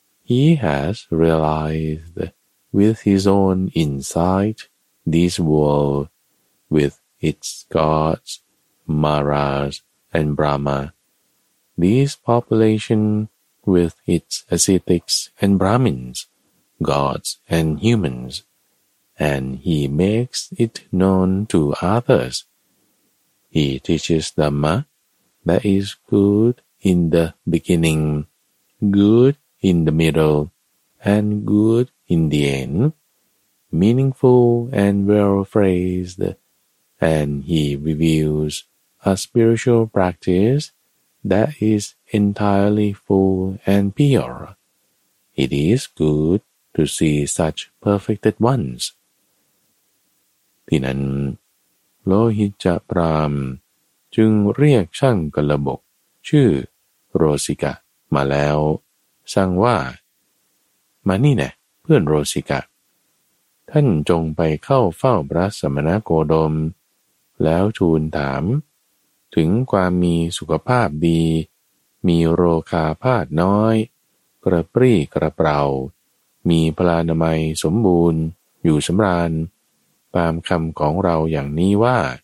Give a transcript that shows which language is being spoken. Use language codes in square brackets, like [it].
[en] He has realized with his own insight this world with its gods, Maras and Brahma, this populationwith its ascetics and Brahmins, gods and humans, and he makes it known to others. He teaches Dhamma that is good in the beginning, good in the middle, and good in the end, meaningful and well-phrased, and he reveals a spiritual practice that isentirely full and pure. It is good to see such perfected ones. [th] ที่นั้นโลหิตจะพราหมณ์จึงเรียกช่างกลบกชื่อโรสิกะมาแล้วสั่งว่า มานี่แน่เพื่อนโรสิกะท่านจงไปเข้าเฝ้าพระสมณโคดมแล้วทูลถามถึงความมีสุขภาพดีมีโรคาพาธน้อยกระปรี้กระเปร่ามีพลานามัยสมบูรณ์อยู่สำราญตามคำของเราอย่างนี้ว่า